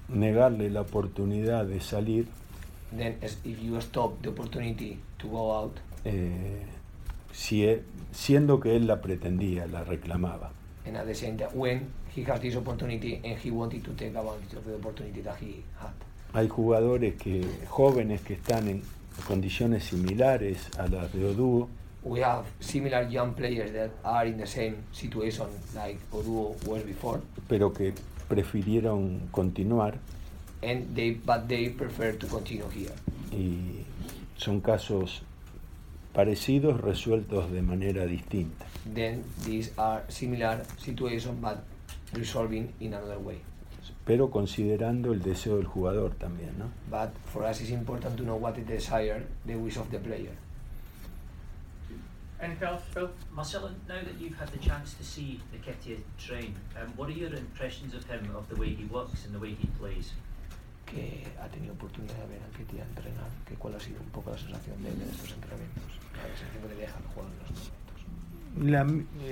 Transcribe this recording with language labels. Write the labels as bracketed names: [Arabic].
[Spanish] Negarle la oportunidad de salir. [English] Then if you stop the opportunity to go out. [Spanish] Siendo que él la pretendía, la reclamaba. [English] And at the same time, when he has this opportunity and he wanted to take advantage of the opportunity that he had. [Spanish] Hay jugadores que jóvenes que están en condiciones similares a las de Oduo. [English] we have similar young players that are in the same situation like Oduo was before. [Spanish] Pero que prefirieron continuar. [English] And they, but they prefer to continue here. [Spanish] Y son casos parecidos resueltos de manera distinta. [English] Then these are similar situations but resolving in another way. [Spanish] Pero considerando el deseo del jugador también, ¿no? [English] But for us it's important to know what the desire, the wish of the player. Anything else, Phil? Marcelo, now that you've had the chance to see Nketiah train, what are your impressions of him, of the way he works and the way he plays? [Spanish] Que ha tenido oportunidad de ver a Nketiah entrenar, que cuál ha sido un poco la sensación de él en estos entrenamientos, la sensación que le deja al jugador en los momentos.